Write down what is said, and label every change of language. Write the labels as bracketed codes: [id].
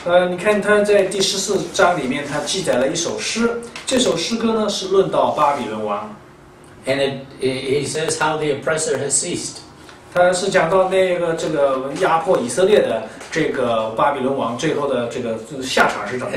[zh] 你看他在第十四章里面，他记载了一首诗。这首诗歌呢是论到巴比伦王。 [en] And he says how the oppressor has ceased. [zh] 他是讲到那个这个压迫以色列的。这个巴比伦王最后的这个下场是怎么